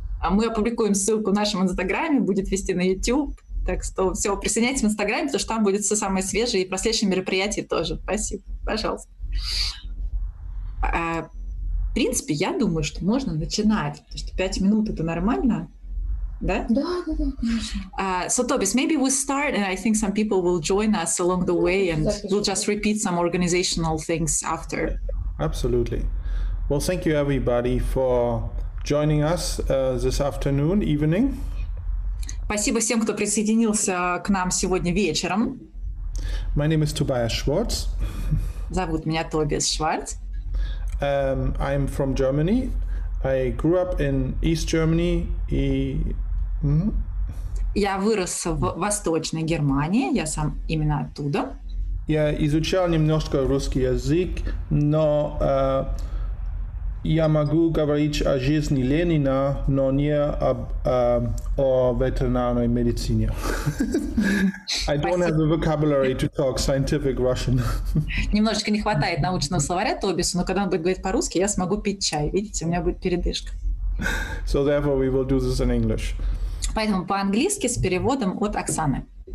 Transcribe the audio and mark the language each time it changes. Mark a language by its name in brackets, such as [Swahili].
[Russian] Мы опубликуем ссылку в нашем Инстаграме, будет вести на YouTube. Так что все, присоединяйтесь в Инстаграме, потому что там будет все самое свежее и про следующие мероприятия тоже. Спасибо. Пожалуйста. В принципе, я думаю, что можно начинать. Потому что 5 минут — это нормально. Да? Да, конечно. [English] So, Tobias, maybe we start and I think some people will join us along the way and we'll just repeat some organizational things after. Absolutely. Well, thank you everybody for joining us this afternoon, evening. [Russian] Спасибо всем, кто присоединился к нам сегодня вечером. [English] My name is Tobias Schwartz. [Russian] Зовут меня Тобиас Шварц. [English] I'm from Germany. I grew up in East Germany. [Russian] Я вырос в Восточной Германии, я сам именно оттуда. Я изучал немножко русский язык, но я могу говорить о жизни Ленина, но не о ветеринарной медицине. [English] I don't have the vocabulary to talk scientific Russian. [Russian] Немножечко не хватает научного словаря Тобису, но когда он будет говорить по-русски, я смогу пить чай. Видите, у меня будет передышка. [English] So therefore we will do this in English. [Russian] Поэтому по-английски с переводом от Оксаны.